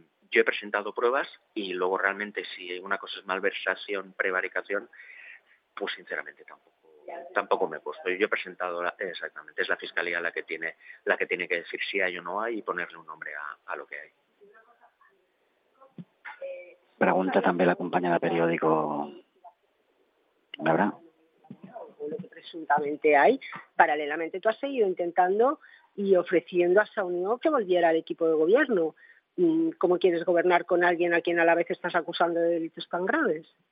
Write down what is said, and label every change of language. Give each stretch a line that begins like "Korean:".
Spanish: Yo he presentado pruebas, y luego realmente si una cosa es malversación, prevaricación, pues sinceramente tampoco me he puesto. Yo he presentado, exactamente, es la Fiscalía la que tiene que decir si hay o no hay y ponerle un nombre a lo que hay.
Catalan: Pregunta també la companya de periòdico.
Spanish: ¿Verdad? Lo que presuntamente hay, paralelamente tú has seguido intentando y ofreciendo a Saunió que volviera al equipo de gobierno. ¿Cómo quieres gobernar con alguien a quien a la vez estás acusando de delitos tan graves?